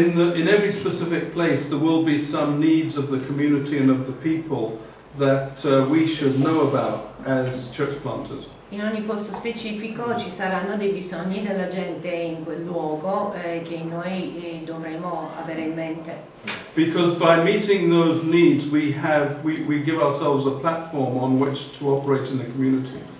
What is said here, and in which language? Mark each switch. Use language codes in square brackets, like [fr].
[en] In every specific place there will be some needs of the community and of the people that we should know about as church planters. [it] In ogni posto specifico ci saranno dei bisogni della gente in quel luogo che noi dovremo avere in mente. [en] Because by meeting those needs we give ourselves a platform on which to operate in the community.